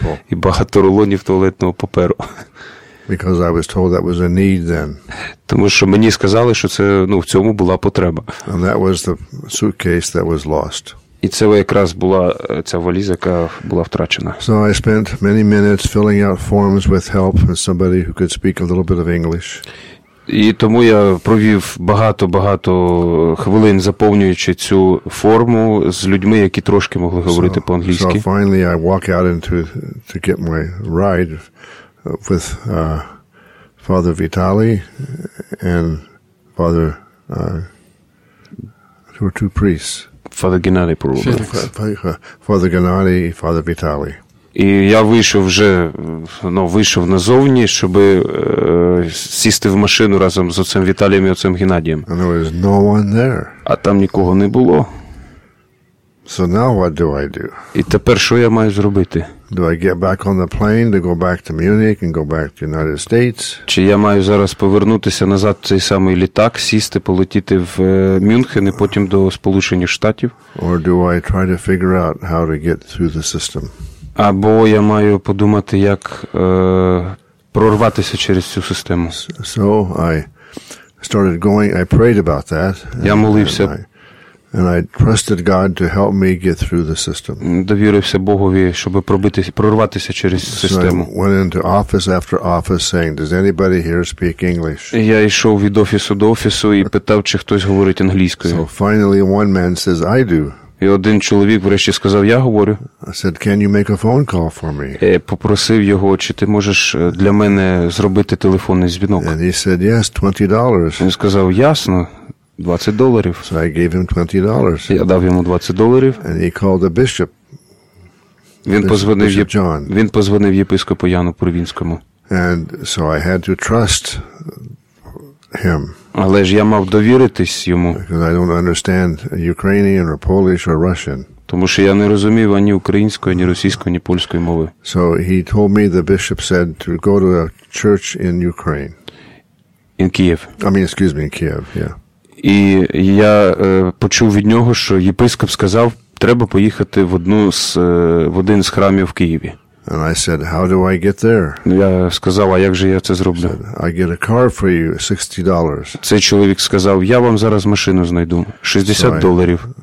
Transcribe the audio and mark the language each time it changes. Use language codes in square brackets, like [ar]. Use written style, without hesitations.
[uk] І багато рулонів туалетного паперу. [en] Because I was told that was a need then. [uk] Тому що мені сказали, що це, ну, в цьому була потреба. [en] And that was the suitcase that was lost. [uk] І це якраз була ця валіза, яка була втрачена. [en] So I spent many minutes filling out forms with help and somebody who could speak a little bit of English. [uk] І тому я провів багато хвилин, заповнюючи цю форму з людьми, які трошки могли говорити по-англійськи. [en] So finally I walk out into to get my ride with Father Vitali and Father who are two priests. [uk] Father Геннадій, пробував. Father Геннадій і Father Віталій. І я вийшов вже, ну, вийшов назовні, щоб сісти в машину разом з отцем Віталієм і отцем Геннадієм. [en] And there was no one there. [uk] А там нікого не було. [en] So now what do I do? [uk] І тепер що я маю зробити? [en] Do I get back on the plane to go back to Munich and go back to the United States? [uk] Чи я маю зараз повернутися назад в цей самий літак, сісти, полетіти в Мюнхен і потім до Сполучених Штатів? [en] Or do I try to figure out how to get through the system? [uk] Або я маю подумати, як прорватися через цю систему. [en] So I started going, I prayed about that. [uk] Я молився. [en] And I trusted God to help me get through the system. [uk] Довірився Богові, щоб прорватися через систему. [en] So I went into office after office saying, does anybody here speak English? [uk] Я йшов від офісу до офісу і питав, чи хтось говорить англійською. [en] So finally one man says, I do. [uk] І один чоловік врешті сказав, я говорю. [en] I said, can you make a phone call for me? [uk] Попросив його, чи ти можеш для мене зробити телефонний дзвінок. [en] And he said, yes, $20. [uk] Він сказав, ясно. $20. [en] So I gave him $20. [uk] Я дав йому $20. [en] And he called the bishop. [uk] Він позвонив єпископу Яну Провінському. [en] And so I had to trust him. [uk] Але ж я мав довіритись йому. [en] Because I don't understand Ukrainian or Polish or Russian. [uk] Тому що я не розумів ані української, ні російської, ні польської мови. [en] So he told me the bishop said to go to a church in Ukraine. In Kiev. In Kiev, yeah. [uk] І я почув від нього, що єпископ сказав, треба поїхати в один з храмів в Києві. [en] And I said, "How do I get there?" [uk] Я сказав, а як же я це зроблю? [en] He said, "I get a car for you, $60." [uk] Цей чоловік сказав, я вам зараз машину знайду, $60.